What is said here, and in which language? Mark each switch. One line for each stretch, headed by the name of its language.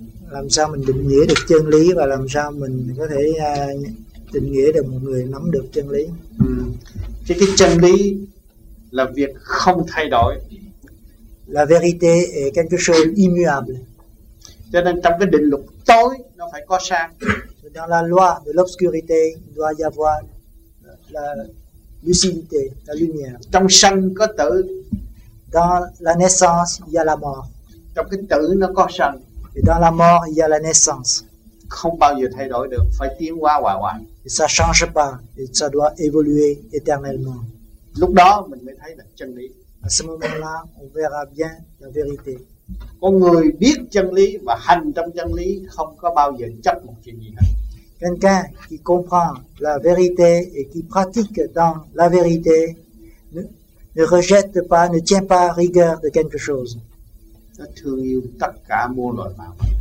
Vietnamese: Làm sao mình định nghĩa được chân lý và làm sao mình có thể định nghĩa được một người nắm được chân lý? Cái chân lý là việc không thay đổi.
French: La vérité est quelque chose immuable.
Vietnamese: Cho nên trong cái định luật tối nó phải có sáng.
French: Dans la loi de l'obscurité, il doit y avoir la lucidité, la lumière.
Vietnamese: Trong sanh có tử.
French: Dans la naissance, il y a la mort.
Vietnamese: Trong cái tử nó có sanh.
French: Et dans la mort, il y a la naissance.
Vietnamese: Không bao giờ thay đổi được, phải tiến qua hoài hoài.
French: Et ça change pas, et ça doit évoluer éternellement.
Vietnamese: Lúc đó, mình mới thấy là chân lý.
French: À ce moment-là, on verra bien la vérité.
Vietnamese: Con người biết chân lý và hành trong chân lý không có bao giờ chấp một chuyện gì hết.
French: Quelqu'un qui comprend la vérité et qui pratique dans la vérité ne rejette pas, ne tient pas rigueur de quelque chose.
Vietnamese: Nó thương yêu tất cả muôn loài vạn vật.